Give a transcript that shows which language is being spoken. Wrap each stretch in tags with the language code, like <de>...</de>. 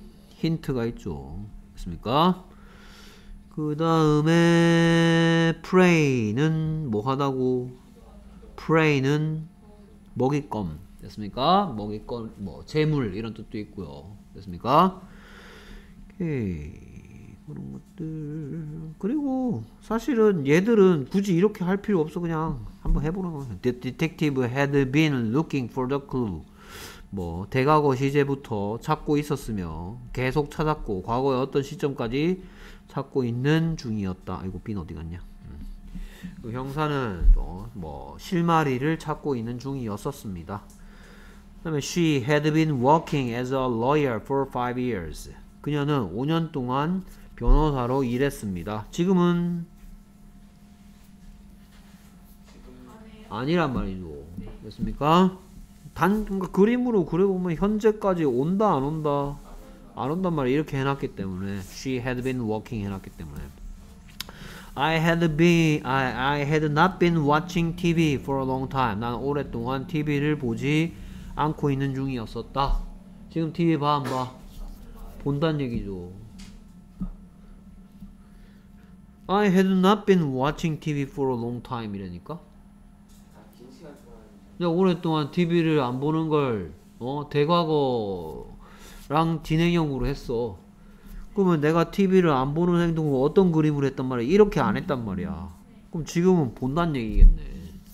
<ko>힌트가 있죠. 그렇습니까? 그 다음에 Prey는 뭐 하다고? Prey는 먹잇감 됐습니까? 먹잇감 뭐 재물 이런 뜻도 있고요. 됐습니까? 오케이. 그런 것들. 그리고 사실은 얘들은 굳이 이렇게 할 필요 없어. 그냥 한번 해보는 거.</ko> <en>The detective had been looking for the clue.</en> <ko>뭐 대과거 시제부터 찾고 있었으며 계속 찾았고 과거의 어떤 시점까지 찾고 있는 중이었다. 아이고 빈 어디 갔냐? 그 형사는 또뭐 실마리를 찾고 있는 중이었었습니다. 그다음에</ko> <en>she had been working as a lawyer for 5 years.</en> <ko>그녀는 5년 동안 변호사로 일했습니다. 지금은 아니란 말이죠. 됐습니까? 단 그러니까 그림으로 그려보면 현재까지 온다 안 온다 안 온단 말 이렇게 해놨기 때문에</ko> <en>she had been working</en> <ko>해놨기 때문에.</ko> <en>I had not been watching TV for a long time.</en> <ko>난 오랫동안 TV를 보지 않고 있는 중이었었다. 지금 TV 봐, 안 봐? 본단 얘기죠.</ko> <en>I had not been watching TV for a long time 이라니까.</en> <ko>야, 오랫동안 TV를 안 보는 걸 대과거랑 진행형으로 했어. 그러면 내가 TV를 안 보는 행동을 어떤 그림으로 했단 말이야? 이렇게 안 했단 말이야. 그럼 지금은 본단 얘기겠네.</ko>